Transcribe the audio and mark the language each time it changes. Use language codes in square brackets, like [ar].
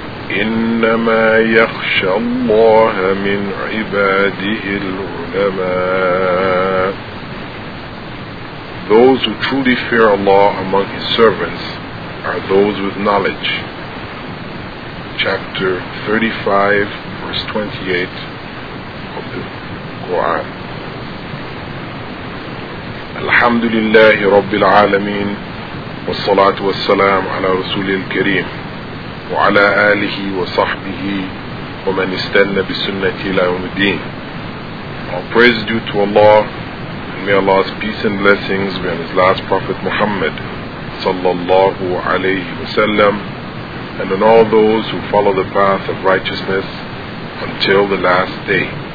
[ar] إنما يخشى الله من عباده العلماء. [en] Those who truly fear Allah among His servants are those with knowledge. Chapter 35, verse 28 of the Quran. [ar] الحمد لله رب العالمين والصلاة والسلام على رسول الكريم وعلى آله وصحبه ومن استنى بسنة إلى يوم الدين. [en] All praise due to Allah, and may Allah's peace and blessings be on His last Prophet Muhammad sallallahu alayhi wasallam, and on all those who follow the path of righteousness until the last day.